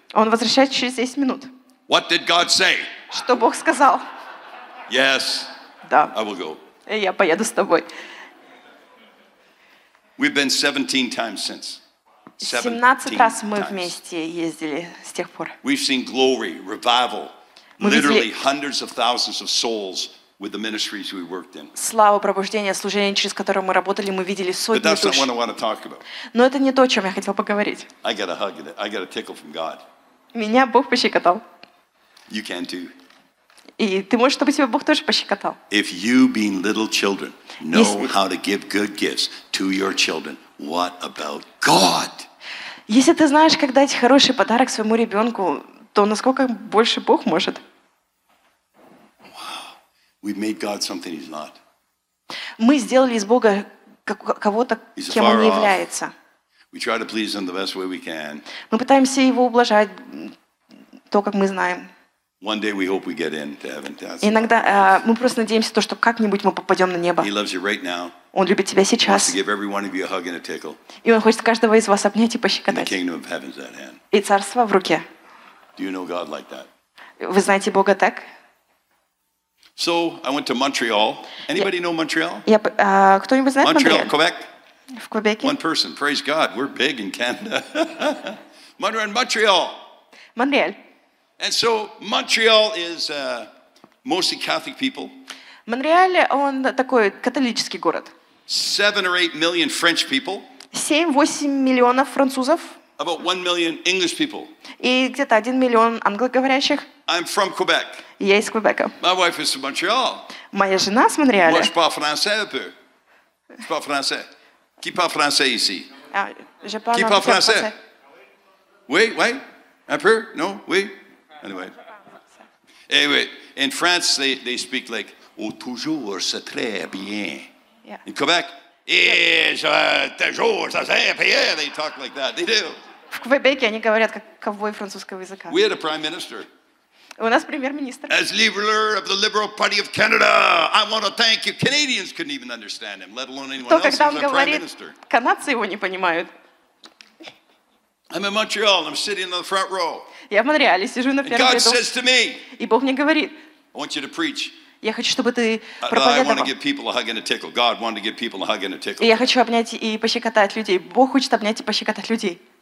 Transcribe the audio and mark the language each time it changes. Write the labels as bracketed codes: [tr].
[ru] Он возвращается через 10 минут. [en] What did God say? [ru] Что Бог сказал? [en] Yes. [ru] Да. [en] I will go. [ru] И я поеду с тобой. [en] We've been 17 times since. [ru] 17 раз мы вместе ездили с тех пор. [en] We've seen glory, revival. Literally hundreds of thousands of souls with the ministries we worked in. [ru] Слава пробуждения, служение, через которое мы работали, мы видели сотни душ. [en] But that's not what I want to talk about. [ru] Но это не то, о чем я хотел поговорить. [en] I got a hug, I got a tickle from God. [ru] Меня Бог пощекотал. [en] You can too. [ru] И ты можешь, чтобы тебя Бог тоже пощекотал. [en] If you, being little children, know how to give good gifts to your children, what about God? [ru] Если ты знаешь, как дать хороший подарок своему ребенку, то насколько больше Бог может? [en] Wow. We've made God something he's not. [ru] Мы сделали из Бога кого-то, кем он не является. [en] We try to please him the best way we can. [ru] Мы пытаемся его ублажать то, как мы знаем. [en] One day we hope we get into heaven. [ru] Иногда мы просто надеемся то, что как-нибудь мы попадем на небо. [en] He loves you right now. [ru] Он любит тебя сейчас. [en] He wants to give every one of you a hug and a tickle. [ru] И он хочет каждого из вас обнять и пощекотать. [en] And the kingdom of heaven's at hand. [ru] И царство в руке. [en] Do you know God like that? [ru] Вы знаете Бога так? [en] So I went to Montreal. Anybody know Montreal? [ru] Кто-нибудь знает [en] Montreal? Quebec. [ru] В Квебеке. [en] One person. Praise God. We're big in Canada. Montreal. Montreal. And so Montreal is mostly Catholic people. [ru] Монреаль он такой католический город. [en] 7 or 8 million French people. [ru] 7-8 миллионов французов. [en] About 1 million English people. [ru] И где-то 1 миллион англоговорящих. [en] I'm from Quebec. [ru] Я из Квебека. [en] My wife is from Montreal. [ru] Моя жена с Монреаля. [fr] Moi, je parle français un peu. Je parle français. Qui parle français ici? Je parle Qui parle français? Français. Oui, oui. Un peu? Non? Oui. Anyway. [en] Anyway, in France they speak like [fr] oh toujours c'est très bien. [en] Yeah. In Quebec, yeah. [fr] Toujours c'est très bien. [en] They talk like that. They do. [ru] В Квебеке они говорят как ковбой французского языка. [en] We had a prime minister. [ru] У нас премьер-министр. [en] As leader of the Liberal Party of Canada, I want to thank you. Canadians couldn't even understand him, let alone anyone else. [ru] Он говорит, канадцы его не понимают. [en] I'm in Montreal. I'm sitting in the front row. [ru] Я в Монреале сижу на первом ряду. [en] God says to me. [ru] И Бог мне говорит. [en] I want you to preach. [ru] Я хочу, чтобы ты проповедовал. [en] I want to give people a hug and a tickle. God wanted to give people a hug and a tickle. [ru] И я хочу обнять и пощекотать людей. Бог хочет обнять и пощекотать людей.